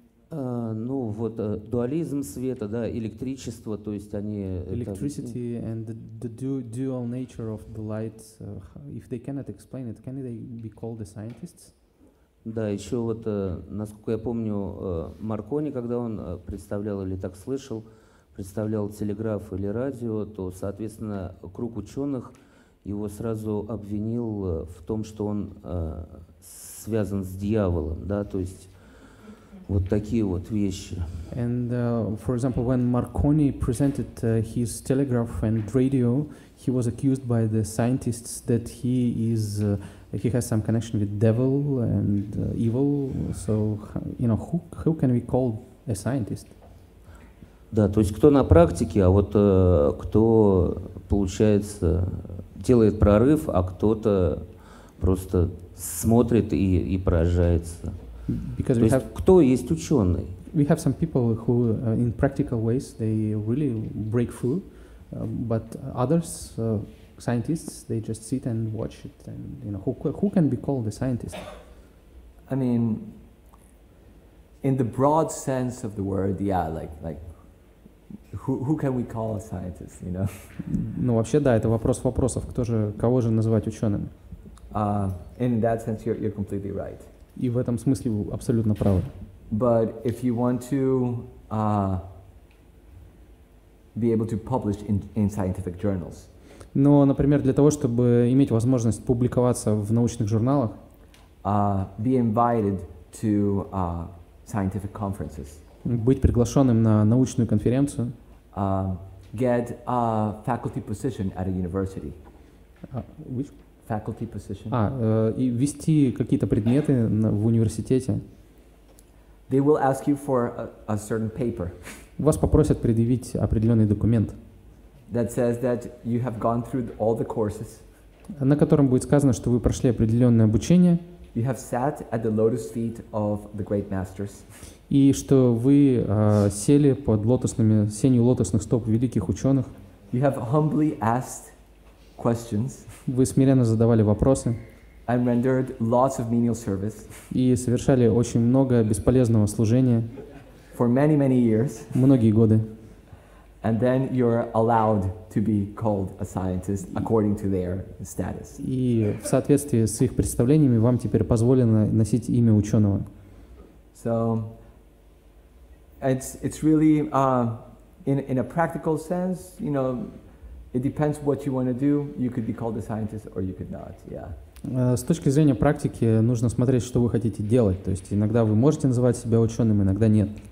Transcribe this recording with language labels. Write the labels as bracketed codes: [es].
[ru] Ну вот дуализм света, да, электричество, то есть они [en] electricity [ru] это... [en] and the dual nature of the light, if they cannot explain it, can they be called the scientists? [ru] Да, еще вот, насколько я помню, Маркони, когда он представлял или так слышал, представлял телеграф или радио, то, соответственно, круг ученых его сразу обвинил в том, что он связан с дьяволом, да, то есть вот такие вот вещи. [en] And, for example, when Marconi presented his telegraph and radio, he was accused by the scientists that he is... he has some connection with devil and evil, so you know who can we call a scientist? [ru] Да, то есть кто на практике, а вот кто получается делает прорыв, а кто-то просто смотрит и поражается. [en] Because [ru] то [en] we [ru] есть, [en] have [ru] кто есть ученый? [en] We have some people who in practical ways they really break through, but others. Scientists, they just sit and watch it, and you know, who can be called a scientist? I mean, in the broad sense of the word, yeah, like who can we call a scientist, you know? [ru] Ну вообще да, это вопрос вопросов, кто же кого же называть ученым? [en] In that sense, you're completely right. [ru] И в этом смысле вы абсолютно правы. [en] But if you want to be able to publish in scientific journals. [ru] Но, например, для того, чтобы иметь возможность публиковаться в научных журналах, [en] be invited to scientific conferences, [ru] быть приглашенным на научную конференцию, [en] get a faculty position at a university, which? Faculty position. [ru] И вести какие-то предметы в университете. [en] They will ask you for a certain paper. [ru] Вас попросят предъявить определенный документ. [en] That says that you have gone through all the courses. [ru] На котором будет сказано, что вы прошли определенное обучение. [en] You have sat at the lotus feet of the great masters. [ru] И что вы сели под лотосными сенью лотосных стоп великих ученых. [en] You have humbly asked questions. [ru] Вы смиренно задавали вопросы. [en] And rendered lots of menial service. [ru] И совершали очень много бесполезного служения. [en] For many, many years. [ru] Многие годы. [en] And then you're allowed to be called a scientist according to their status. [ru] И в соответствии с их представлениями вам теперь позволено носить имя ученого. [en] So it's really in a practical sense, you know, it depends what you want to do. You could be called a scientist or you could not. Yeah. [ru] С точки зрения практики нужно смотреть, что вы хотите делать. То есть иногда вы можете называть себя ученым, иногда нет.